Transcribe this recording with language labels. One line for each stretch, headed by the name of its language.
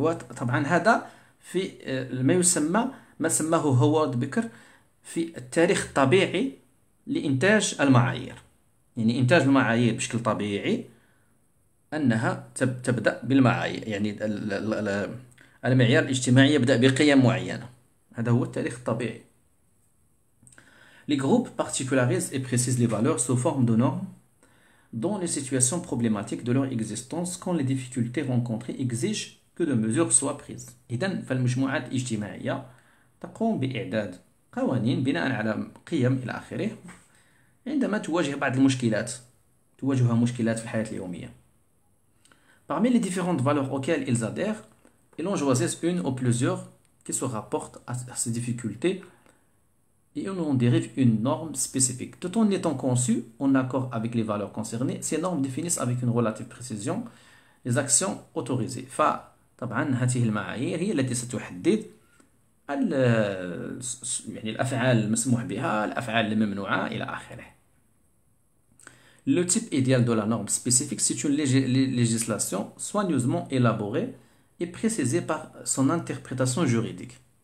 Arabic: وطبعا هذا في ما يسمى ما سماه هوارد بيكر في التاريخ الطبيعي لإنتاج المعايير، يعني إنتاج المعايير بشكل طبيعي أنها تبدأ بالمعايير، يعني المعيار الاجتماعي يبدأ بقيم معينة، هذا هو التاريخ الطبيعي.
French: Les groupes particularisent et précisent les valeurs sous forme de normes dans les situations problématiques de leur existence quand les difficultés rencontrées exigent que des mesures soient prises.
Arabic: إذن فالمجموعات الاجتماعية تقوم بإعداد قوانين بناء على قيم إلى آخره عندما تواجه بعض المشكلات، تواجهها مشكلات في الحياة اليومية.
French: Parmi les différentes valeurs auxquelles ils adhèrent, ils en choisissent une ou plusieurs qui se rapportent à ces difficultés et on en dérive une norme spécifique. Tout en étant conçues en accord avec les valeurs concernées, ces normes définissent avec une relative précision les actions autorisées.
Arabic: فطبعا هذه المعايير هي التي ستحدد يعني الأفعال المسموح بها، الأفعال الممنوعة إلى آخره.
French: Le type idéal de la norme spécifique, c'est une législation soigneusement élaborée et précisée par son interprétation juridique.